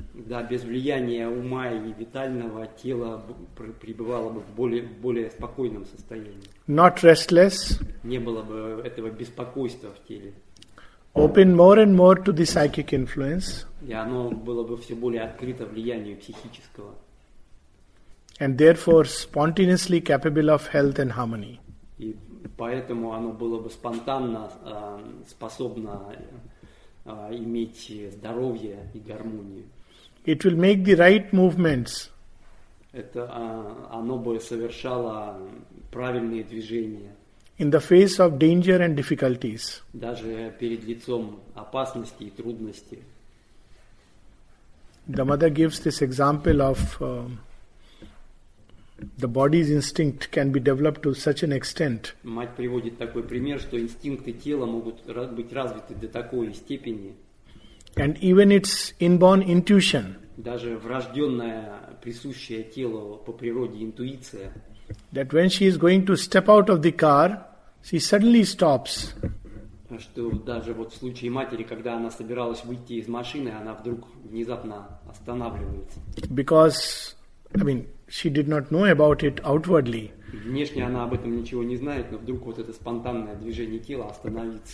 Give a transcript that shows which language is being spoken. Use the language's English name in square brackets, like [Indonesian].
[Russian] Да, без влияния ума и витального тела пребывало бы в более спокойном состоянии. [English] Not restless. [Russian] Не было бы этого беспокойства в теле. [English] Open more and more to the psychic influence. [Russian] И оно было бы все более открыто влиянию психического. [English] And therefore spontaneously capable of health and harmony. [Russian] Поэтому оно было бы спонтанно способно иметь здоровье и гармонию. [English] It will make the right movements. [Russian] Это оно бы совершало правильные движения. [English] In the face of danger and difficulties. [Russian] Даже перед лицом опасности и трудности. [English] The mother gives this example of the body's instinct can be developed to such an extent. [Russian] Мать приводит такой пример, что инстинкты тела могут быть развиты до такой степени. [English] And even its inborn intuition. [Russian] Даже врожденная присущая телу по природе интуиция. [English] That when she is going to step out of the car, she suddenly stops. [Russian] Что даже вот в случае матери, когда она собиралась выйти из машины, она вдруг внезапно останавливается. [English] Because I mean, she did not know about it outwardly. [Russian] Внешне она об этом ничего не знает, но вдруг вот это спонтанное движение тела остановится.